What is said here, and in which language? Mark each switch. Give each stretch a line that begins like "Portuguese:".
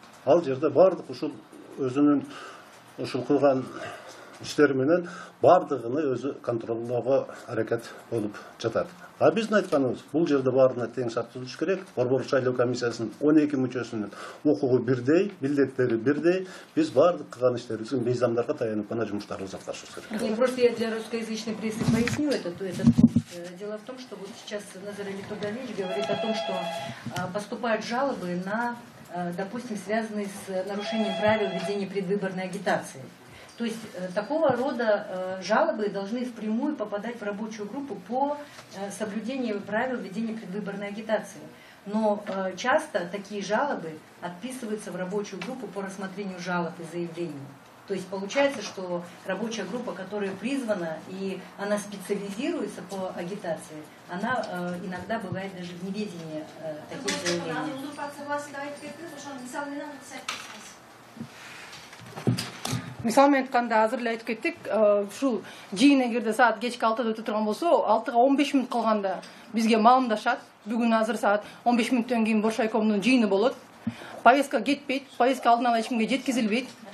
Kyrgyz: Ал жерде баардык ушул өзүнүн ушул кылган иштери менен баардыгын өзү контролдоого аракет болуп жатат. А биздин айтканыбыз бул жерде баарына тең шарт түзүлүш керек. Борбошайлоо комиссиясынын 12 мүчөсүнүн укугу бирдей, милдеттери бирдей. Биз баардык кылган иштерибизди мыйзамдарга таянып гана жумуштарыбызды аткарышыбыз керек.
Russian: Просто я для русскоязычной прессы поясню этот пункт. Дело в том, что вот сейчас Назар Элитугалевич говорит о том, что поступают жалобы на, допустим, связанные с нарушением правил ведения предвыборной агитации. То есть такого рода жалобы должны впрямую попадать в рабочую группу по соблюдению правил ведения предвыборной агитации. Но часто такие жалобы отписываются в рабочую группу по рассмотрению жалоб и заявлений. То есть получается, что рабочая группа, которая призвана и она специализируется по агитации, она иногда бывает даже в неведении таких заявлений.
Kyrgyz: Мисал менен айтканда азыр эле айтып кеттик, ушул жыйын эгерде саат кечки 6 өтө турган болсо, 6:15 мүнөт калганда бизге маалымдашат. Бүгүн азыр саат 15 мүнөттөн кийин Борбошайкомдун жыйыны болот. Повестка кетпейт, повестка алдын ала эчкимге жеткизилбейт.